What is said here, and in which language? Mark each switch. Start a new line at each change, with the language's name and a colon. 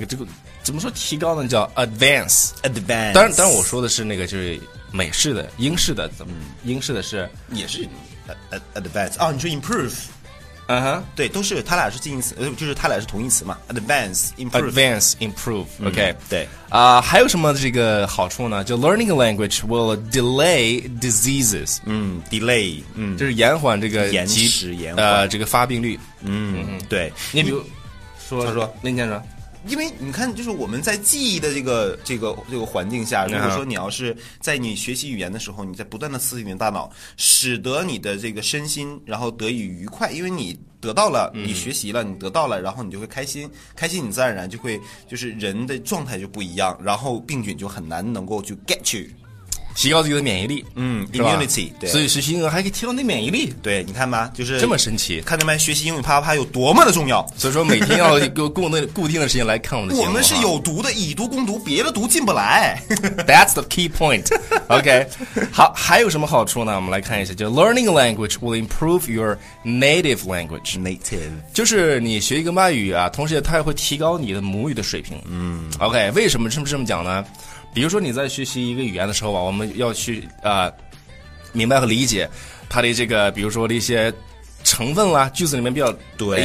Chinese: 这个怎么说提高呢？叫 advance。当然我说的是那个就是美式的、英式的，怎么、嗯、英式的是也是 advance 啊、哦？你说 improve？嗯哼，对，都是它俩是近义词，就是它俩是同义词嘛 ？advance improve 、嗯。OK，对啊，还有什么这个好处呢？就
English: learning a language will delay diseases。嗯 ，delay， 嗯，
Chinese: 就是延缓这个延迟延缓这个发病率。嗯，对，你比如说他说林先生。因为你看，就是我们在记忆的这个环境下，如果说你要是在你学习语言的时候，你在不断的刺激你的大脑，使得你的这个身心然后得以愉快，因为你得到了，你学习了，你得到了，然后你就会开心，开心你自然而然就会就是人的状态就不一样，然后病菌就很难能够去
English: get you。
Chinese: 提高自己的免疫力，嗯 ，immunity， 对，所以学习英语还可以提高你的免疫力，对，你看吧，就是这么神奇，看见没？学习英语啪啪啪有多么的重要，所以说每天要有固定的时间来看我们的节目。我们是有毒的，以毒攻毒，别的毒进不来。
English: That's the key point.
Chinese: OK， 好，还有什么好处呢？我们来看一下，就
English: learning a language will improve your native language. Native
Chinese: 就是你学一个外语啊，同时也它也会提高你的母语的水平。嗯，OK， 为什么这么讲呢？比如说你在学习一个语言的时候吧，我们要去明白和理解它的这个，比如说的一些成分啦，句子里面比较对